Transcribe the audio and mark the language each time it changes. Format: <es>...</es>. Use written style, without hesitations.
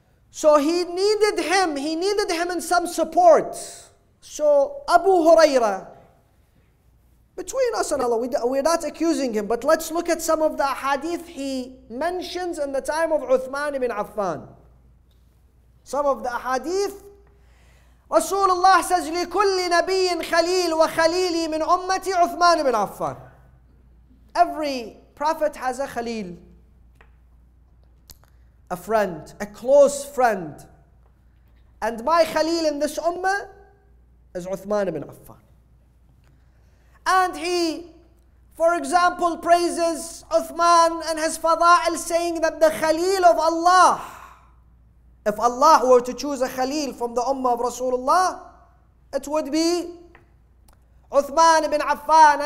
<en>So he needed him in some support. So Abu Huraira, between us and Allah, we're not accusing him, but let's look at some of the hadith he mentions in the time of Uthman ibn Affan. Some of the hadith. Rasulullah says,</en> <ar>لِكُلِّ نَبِيٍ خَلِيلٍ وَخَلِيلٍ مِنْ أُمَّةِ Uthman ibn Affan.</ar> <en>Every prophet has a khalil, a friend, a close friend. And my khalil in this ummah is Uthman ibn Affan. And he, for example, praises Uthman and his fada'il, saying that the Khalil of Allah, if Allah were to choose a Khalil from the Ummah of Rasulullah, it would be Uthman ibn Affan.</en>